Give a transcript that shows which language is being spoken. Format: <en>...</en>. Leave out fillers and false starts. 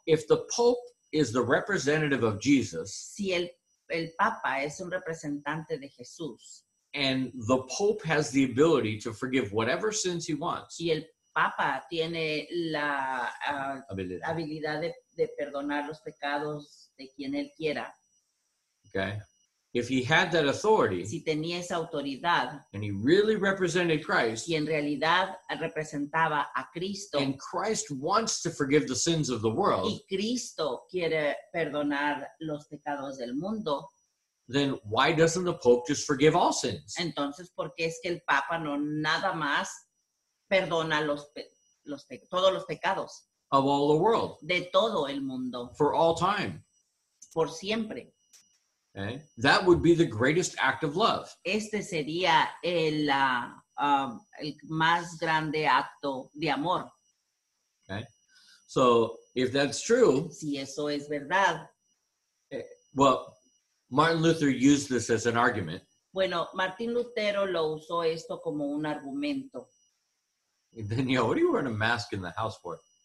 <en>If the Pope is the representative of Jesus.</en> <es>Si el Papa es un representante de Jesús.</es> <en>And the Pope has the ability to forgive whatever sins he wants.</en> <es>Y el Papa tiene la habilidad de perdonar los pecados de quien él quiera.</es> <en>Okay. If he had that authority.</en> <es>Si tenía esa autoridad.</es> <en>And he really represented Christ.</en> <es>Y en realidad representaba a Cristo.</es> <en>And Christ wants to forgive the sins of the world.</en> <es>Y Cristo quiere perdonar los pecados del mundo.</es> <en>Then why doesn't the Pope just forgive all sins?</en> <es>Entonces, ¿por qué es que el Papa no nada más perdona todos los pecados?</es> <en>Of all the world.</en> <es>De todo el mundo.</es> <en>For all time.</en> <es>Por siempre.</es> <en>Okay. That would be the greatest act of love.</en> <es>Este sería el más grande acto de amor.</es> <en>Okay. So, if that's true.</en> <es>Si eso es verdad.</es> <en>Well, Martin Luther used this as an argument.</en> <es>Bueno, Martín Lutero lo usó esto como un argumento.</es> <en>Danielle, what are you wearing a mask in the house for?</en>